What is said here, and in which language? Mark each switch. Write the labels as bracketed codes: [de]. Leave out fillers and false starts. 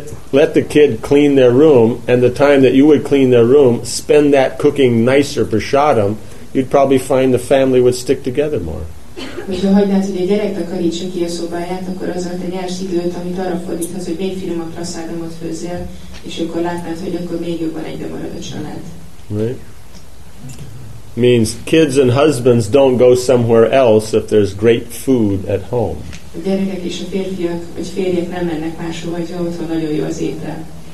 [en] Let the kid clean their room, and the time that you would clean their room, spend that cooking nicer prasadam, you'd probably find the family would stick together more. [hu] Hogyha hagynád, hogy a gyerek takarítsa ki a szobáját, akkor azzal te nyersz időt, amit arra fordíthatsz, hogy még finomabb prasadamot főzzél, és akkor látnád, hogy akkor még jobban egybe marad a család. [en] Right? Means kids and husbands don't go somewhere else if there's great food at home. [hu] A gyerekek és a férfiak, vagy férjek nem mennek máshova, hogyha otthon nagyon jó az étel.